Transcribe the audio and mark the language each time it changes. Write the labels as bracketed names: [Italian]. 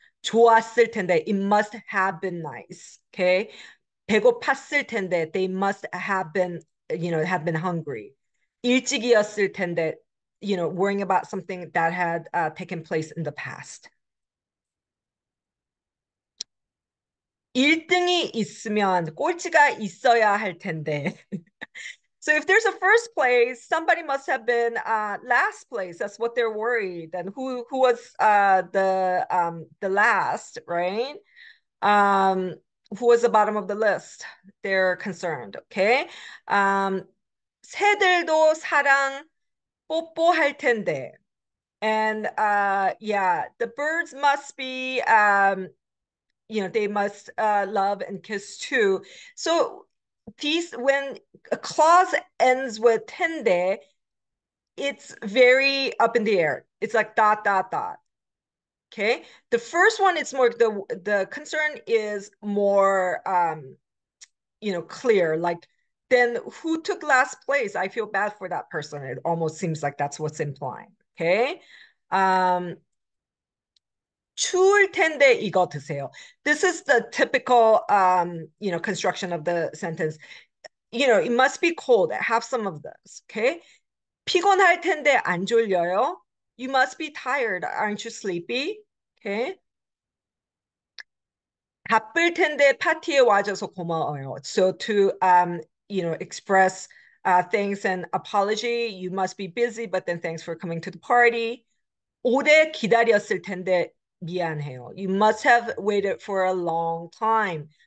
[Korean] 좋았을 텐데, [English] it must have been nice, okay? [Korean] 배고팠을 텐데, [English] they must have been, you know, have been hungry. [Korean] 일찍이었을 텐데, [English] worrying about something that had taken place in the past. [Korean] 1등이 있으면 꼴찌가 있어야 할 텐데. [English] So if there's a first place, somebody must have been last place. That's what they're worried. And who was the last, right? Who was the bottom of the list? They're concerned, okay? [Korean] 새들도 사랑 뽀뽀할 텐데. [English] And yeah, the birds must be, they must love and kiss too. So these, when a clause ends with 텐데, it's very up in the air. It's like dot, dot, dot. Okay, the first one is more, the concern is more, clear. Like, then who took last place? I feel bad for that person. It almost seems like that's what's implying. Okay. [Korean] 추울 텐데 이거 드세요. [English] This is the typical, construction of the sentence. It must be cold. Have some of this. Okay. [Korean] 피곤할 텐데 안 졸려요? [English] You must be tired. Aren't you sleepy? Okay. [Korean] 바쁠 텐데 파티에 와줘서 고마워요. [English] So to express thanks and apology, you must be busy, but then thanks for coming to the party. [Korean] 오래 기다렸을 텐데 미안해요. [English] You must have waited for a long time.